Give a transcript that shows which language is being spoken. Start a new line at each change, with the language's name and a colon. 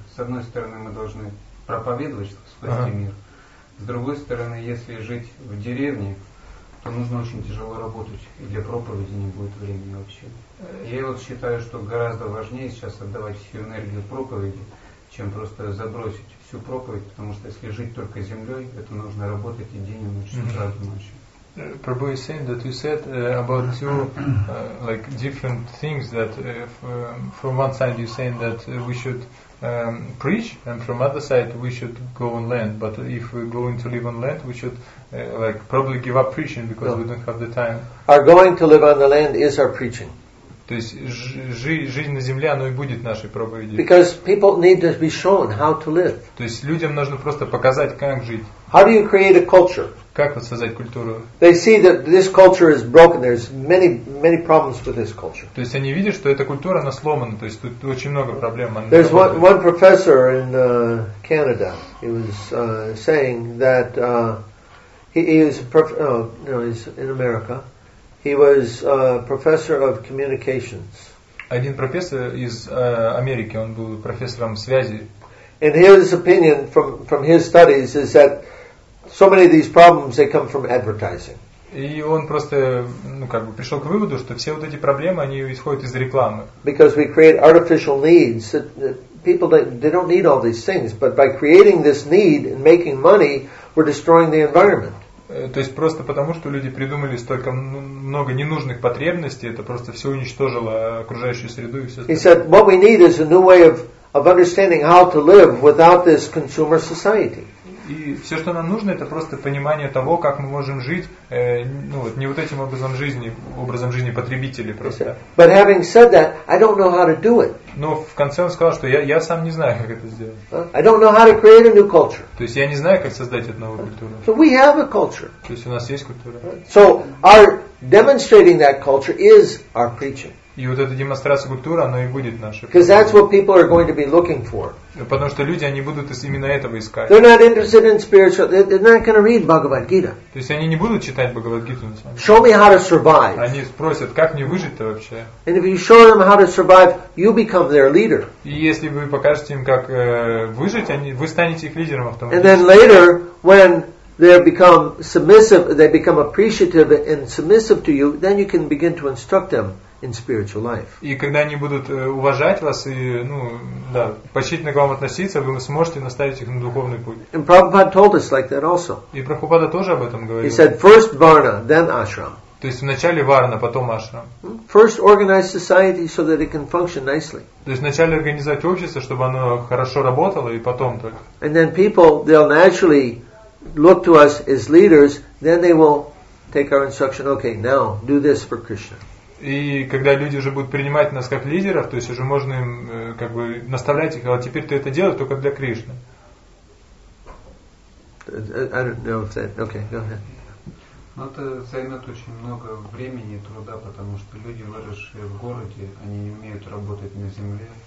Russian: С одной стороны, мы должны проповедовать, чтобы спасти мир. С другой стороны, если жить в деревне, то нужно очень тяжело работать, и для проповеди не будет времени вообще. Я вот считаю, что гораздо важнее сейчас отдавать всю энергию проповеди, чем просто забросить всю проповедь, потому что если жить только землей, это нужно работать и день, и ночь, и сразу ночью.
English: Prabhu is saying that you said about two like different things that if, from one side you're saying that we should preach and from other side we should go on land, but if we're going to live on land we should like probably give up preaching because we don't have the time. Our going to live on the land is our preaching.
Russian: То есть жизнь на земле, оно и будет нашей проповедью.
English: Because people need to be shown how to live.
Russian: То есть людям нужно просто показать, как жить.
English: How do you create a culture?
Russian: Как вот создать культуру?
English: They see that this culture is broken. There's many, many problems with this culture.
Russian: То есть они видят, что эта культура, она сломана. То есть тут очень много проблем.
English: There's one professor in Canada. He was saying that he's in America. He was a professor of communications.
Russian: Один профессор из Америки, он был профессором связи.
English: And his opinion from his studies is that so many of these problems they come from advertising.
Russian: И он просто, ну как бы, пришел к выводу, что все вот эти проблемы, они исходят из рекламы.
English: Because we create artificial needs that people they don't need all these things, but by creating this need and making money, we're destroying the environment.
Russian: То есть просто потому, что люди придумали столько много ненужных потребностей, это просто все уничтожило окружающую среду и все.
English: He said, what we need is a new way of understanding how to live without this consumer society.
Russian: И все, что нам нужно, это просто понимание того, как мы можем жить, ну вот не вот этим образом жизни потребителей просто.
English: But having said that, I don't know how to do it.
Russian: Но в конце он сказал, что я сам не знаю, как это сделать.
English: I don't know how to create a new culture.
Russian: То есть я не знаю, как создать эту новую культуру.
English: So we have a culture.
Russian: То есть у нас есть культура.
English: So our demonstrating that culture is our preaching.
Russian: И вот эта демонстрация культуры, она и будет наша.
English: Because that's what people are going to be looking for.
Russian: Потому что люди, они будут именно этого искать.
English: They're not interested in spiritual. They're not going to read Bhagavad Gita.
Russian: То есть они не будут читать Бхагавад Гиту на самом деле.
English: Show me how to survive.
Russian: Они спросят, как мне выжить-то вообще.
English: And if you show them how to survive, you become their leader.
Russian: И если вы покажете им, как выжить, вы станете их лидером автоматически.
English: And then later, when they become submissive, they become appreciative and submissive to you, then you can begin to instruct them. In spiritual life.
Russian: И когда они будут уважать вас и, ну, да, почтительно к вам относиться, вы сможете наставить их на духовный путь.
English: And Prabhupada told us like that also.
Russian: И Прабхупада тоже об этом говорил.
English: He said first varna, then ashram.
Russian: То есть вначале варна, потом ашрам.
English: First organize society so that it can function nicely.
Russian: То есть вначале организовать общество, чтобы оно хорошо работало, и потом только.
English: And then people they'll naturally look to us as leaders, then they will take our instruction. Okay, now do this for Krishna.
Russian: И когда люди уже будут принимать нас как лидеров, то есть уже можно им как бы наставлять их, а вот теперь ты это делаешь только для Кришны.
English: I don't know if that. Okay, go ahead.
Russian: Но это займет очень много времени и труда, потому что люди, выросшие в городе, они не умеют работать на земле.